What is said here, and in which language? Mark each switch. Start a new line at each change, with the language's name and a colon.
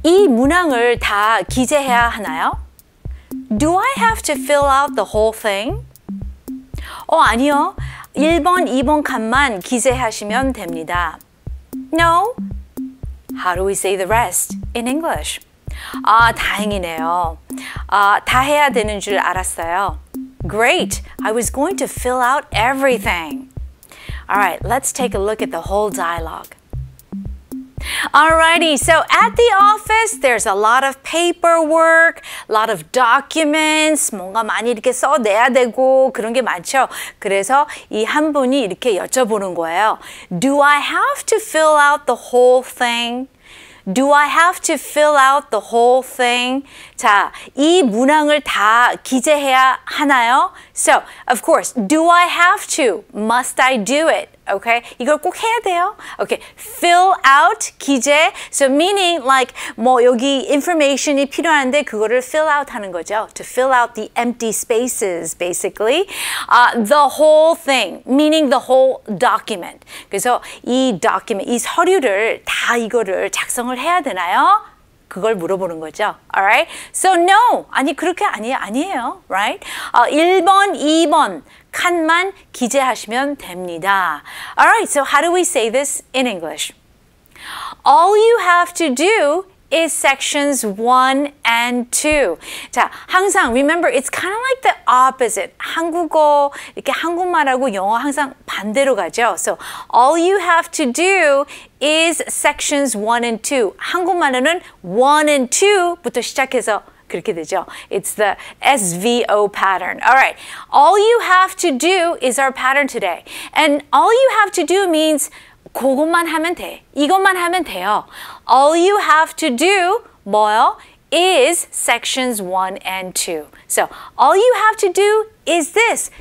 Korean: 이 문항을 다 기재해야 하나요?
English: Do I have to fill out the whole thing?
Korean: 어, 아니요. 1번, 2번 칸만 기재하시면 됩니다.
English: No. How do we say the rest in English?
Korean: 아, 다행이네요. 아, 다 해야 되는 줄 알았어요.
English: Great. I was going to fill out everything. All right, let's take a look at the whole dialogue. Alrighty, so at the office, there's a lot of paperwork, a lot of documents,
Korean: 뭔가 많이 이렇게 써내야 되고 그런 게 많죠. 그래서 이 한 분이 이렇게 여쭤보는 거예요.
English: Do I have to fill out the whole thing? Do I have to fill out the whole thing?
Korean: 자, 이 문항을 다 기재해야 하나요?
English: So, of course, do I have to? Must I do it?
Korean: Okay, 이걸 꼭 해야 돼요. Okay, fill out, 기재.
English: So meaning like
Korean: 뭐 여기 information이 필요한데 그거를 fill out 하는 거죠.
English: To fill out the empty spaces, basically. The whole thing, meaning the whole document.
Korean: 그래서 이 document, 이 서류를 다 이거를 작성을 해야 되나요? 그걸 물어보는 거죠.
English: Alright, so no,
Korean: 아니 그렇게 아니에요. Right? 1번, 2번. 칸만 기재하시면 됩니다.
English: All right, so how do we say this in English? All you have to do is sections 1 and 2. 자, 항상 remember, it's kind of like the opposite.
Korean: 한국어, 이렇게 한국말하고 영어 항상 반대로 가죠.
English: So all you have to do is sections 1 and 2.
Korean: 한국말로는 1 and 2부터 시작해서 그렇게 되죠.
English: It's the SVO pattern. All right. All you have to do is our pattern today. And all you have to do means
Korean: 그것만 하면 돼. 이것만 하면 돼요.
English: All you have to do, 뭐요? Is sections 1 and 2. So, all you have to do is this.